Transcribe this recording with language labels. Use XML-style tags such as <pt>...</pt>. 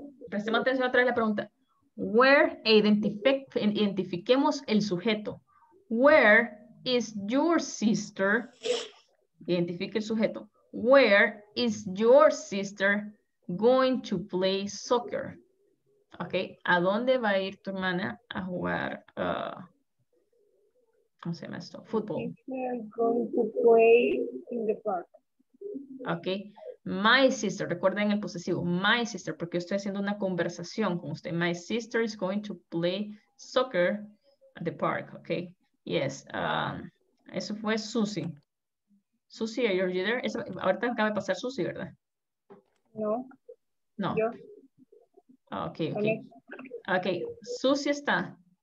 <es>Prestemos atención otra vez a la pregunta. Identifiquemos el sujeto.</es> <en>Where is your sister?</en> <es>Identifique el sujeto.</es> <en>Where is your sister going to play soccer?</en> <es>Ok, ¿a dónde va a ir tu hermana a jugar? ¿Cómo se llama esto? Fútbol.</es> <en>I'm going to play in the park.</en> <es>Ok,</es> <en>my sister,</en> <es>recuerden el posesivo, my sister, porque yo estoy haciendo una conversación con usted.</es> <en>My sister is going to play soccer at the park. Ok, yes.</en> <es>Eso fue Susie.</es> <en>Susie, are you there?</en> <es>Eso, ahorita acaba de pasar Susie, ¿verdad? No. No. Yo. Okay, okay. Okay, Susie está.</es>